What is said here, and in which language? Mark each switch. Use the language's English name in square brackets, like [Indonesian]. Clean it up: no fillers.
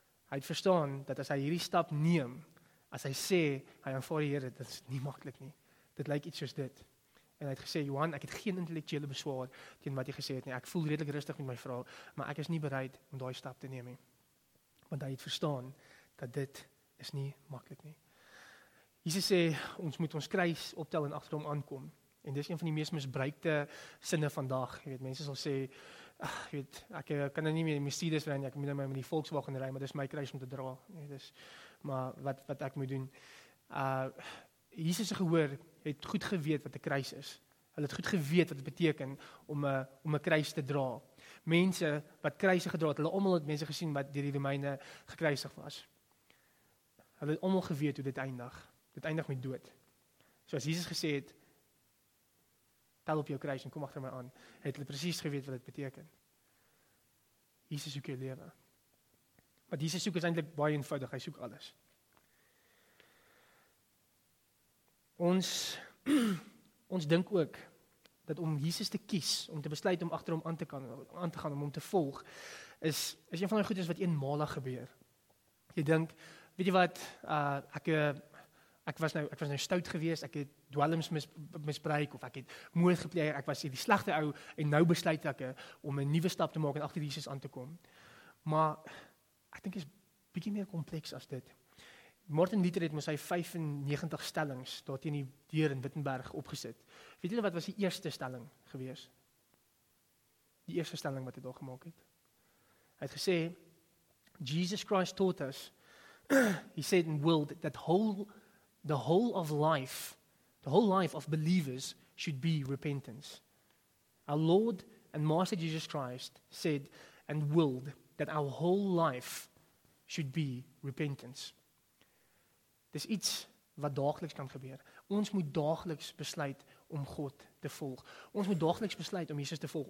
[Afrikaans] Hy het verstaan dat as hy hierdie stap neem, as hy sê hy aanvaar die Here, dit is nie maklik nie. Dit lyk iets soos dit. En hy het gesê, Johan, ek het geen intellektuele beswaar teen wat jy gesê het nie. Ek voel redelik rustig met my vraag, maar ek is nie bereid om daai stap te neem nie. Want hy het verstaan dat dit is nie maklik nie. Jesus sê, ons moet ons kruis optel en agter hom aankom. En dis een van die mees misbruikte sinne vandag. Jy weet, mense sal sê, ach, jy weet, ek kan nou nie meer die Mercedes ry nie, ek moet nou met die Volkswagen ry, maar dis my kruis om te dra. Nee, dis, maar wat ek moet doen. Jesus se gehoor het goed geweet wat 'n kruis is. Hulle het goed geweet wat dit beteken om 'n kruis te dra. Mense wat kruise gedra het, hulle almal het mense gesien wat deur die Romeine gekruisig was. Hulle het almal geweet hoe dit eindig. Dit eindig met dood. So as Jesus gesê het, tel op jou kruis en kom agter my aan, het hulle presies geweet wat dit beteken. Jesus soek jou lewe. Maar Jesus soek is eintlik baie eenvoudig, hy soek alles. Ons dink ook dat om Jesus te kies, om te besluit om agter hom aan te gaan, om hom te volg, is een van die goedes wat eenmalig gebeur. Jy dink, weet jy wat, ek was nou stout geweest, ek het dwelms misbruik, of ek het moord gepleeg, ek was die slegte ou, en nou besluit ek om 'n nuwe stap te maak en agter Jesus aan te kom. Maar ek dink is bietjie meer kompleks as dit. Martin Luther het met sy 95 stellings daar teen die deur in Wittenberg opgesit. Weet julle wat was die eerste stelling gewees? Die eerste stelling wat hy daar gemaak het. Hy het gesê, [English] Jesus Christ taught us He said in Will that the whole life of believers should be repentance. Our Lord and Master Jesus Christ said and willed that our whole life should be repentance. [Afrikaans] Dis iets wat daagliks kan gebeur. Ons moet daagliks besluit om God te volg. Ons moet daagliks besluit om Jesus te volg.